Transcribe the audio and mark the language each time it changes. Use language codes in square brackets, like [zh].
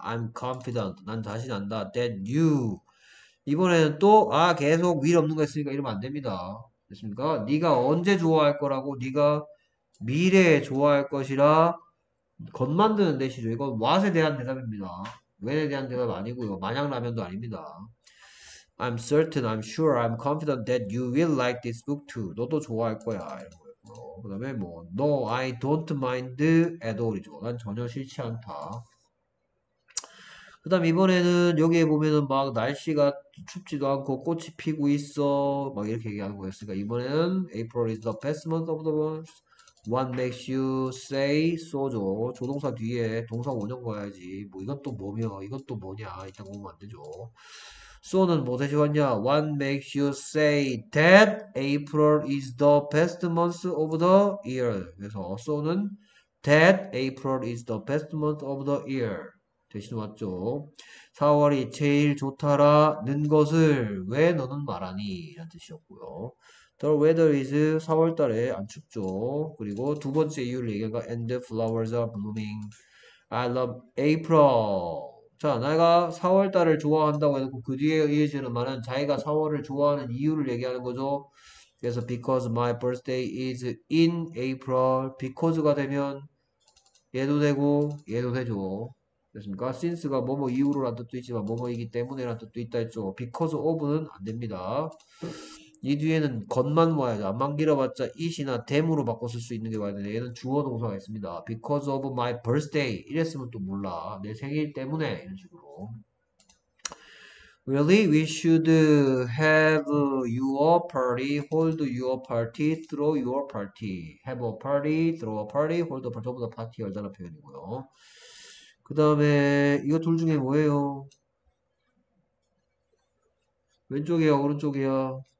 [en] I'm confident [ko] 난 자신한다 that you 이번에는 또아 계속 will 없는 거 있으니까 이러면 안 됩니다. 됐습니까? 네가 언제 좋아할 거라고 네가 미래에 좋아할 것이라 겉만 드는 대시죠. 이건 what에 대한 대답입니다. when에 대한 대답 아니고요. 만약라면도 아닙니다. [en] I'm certain I'm sure I'm confident that you will like this book too. [ko] 너도 좋아할 거야. 이런 거예요. 그다음에 뭐 [en] No, I don't mind at all이죠. [ko] 난 전혀 싫지 않다. 그다음 이번에는 여기에 보면은 막 날씨가 춥지도 않고 꽃이 피고 있어 막 이렇게 얘기하는 거였으니까 이번에는 [en] April is the best month of the month. What makes you say so죠? [ko] 조동사 뒤에 동사 원형 봐야지. 뭐 이건 또 뭐며? 이건 또 뭐냐? 이딴 거 보면 안 되죠. So는 뭐 대신 왔냐? [en] What makes you say that April is the best month of the year? [ko] 그래서 So는 [en] that April is the best month of the year [ko] 대신 왔죠. 4월이 제일 좋다라는 것을 왜 너는 말하니? 이런 뜻이었고요. [en] The weather is [ko] 4월달에 안 춥죠. 그리고 두 번째 이유를 얘기한 거 [en] And the flowers are blooming. I love April. [ko] 자, 내가 4월달을 좋아한다고 해놓고 그 뒤에 이어지는 말은 자기가 4월을 좋아하는 이유를 얘기하는 거죠. [en] 그래서 because my birthday is in April. [ko] because가 되면 얘도 되고 얘도 되죠. 됐습니까? since가 뭐뭐 이후로란 뜻도 있지만 뭐뭐이기 때문에란 뜻도 있다 했죠. because of는 안 됩니다. 이 뒤에는 것만 와야죠. 암만 길어봤자 is이나 them으로 바꿔 쓸수 있는 게 와야 되는데 얘는 주어 동사가 있습니다. [en] Because of my birthday [ko] 이랬으면 또 몰라. 내 생일 때문에 이런 식으로. [en] Really, we should have your party, hold your party, throw your party. Have a party, throw a party, hold a party. [ko] 전부 다 파티 열다는 표현이고요. 그 다음에 이거 둘 중에 뭐예요? 왼쪽이야, 오른쪽이야?